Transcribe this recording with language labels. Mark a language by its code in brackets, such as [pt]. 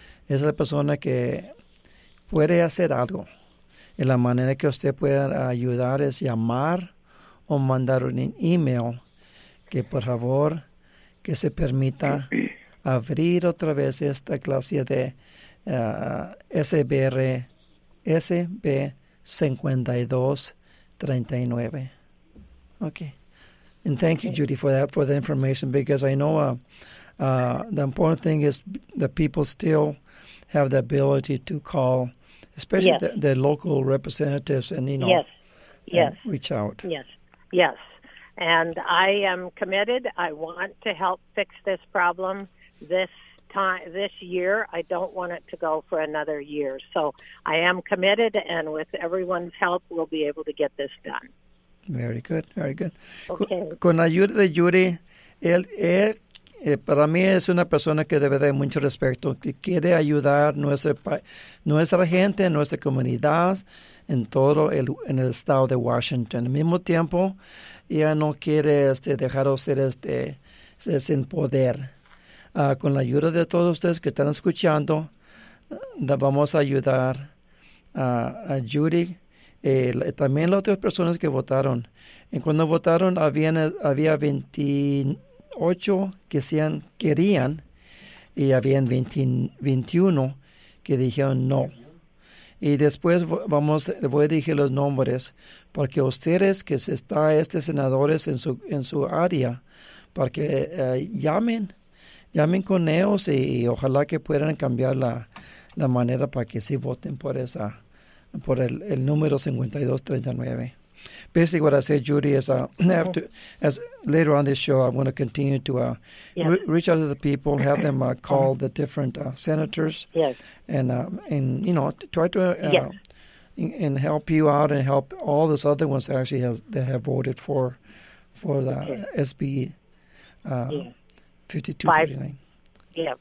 [es] Es la persona que puede hacer algo. Y la manera que usted puede ayudar es llamar o mandar un email que por favor que se permita abrir otra vez esta clase de SBR SB5239. [en] Okay. And thank you, Judy, for that, for the information, because I know the important thing is that people still have the ability to call, especially yes. the local representatives and, you know, yes. Yes. And reach out. Yes, yes. And I am committed. I want to help fix this problem this time, this year. I don't want it to go for another year. So I am committed, and with everyone's help, we'll be able to get this done. Very good, very good. Okay. [es] Con ayuda de Judy, él para mí es una persona que debe de mucho respeto, que quiere ayudar nuestra gente, nuestra comunidad, en todo en el estado de Washington. Al mismo tiempo, ella no quiere dejar a usted sin poder. Con la ayuda de todos ustedes que están escuchando, vamos a ayudar a Judy. También las otras personas que votaron. Y cuando votaron, había 28 que querían y había 21 que dijeron no. Y después voy a decir los nombres, porque ustedes que están senadores en su área, para que llamen con ellos y ojalá que puedan cambiar la manera para que sí voten por esa. Por el número 5239. [en] Basically, what I said, Judy, is later on this show, I'm going to continue to reach out to the people, have them call the different senators, and try to help you out and help all those other ones that actually have voted for the SB 5239.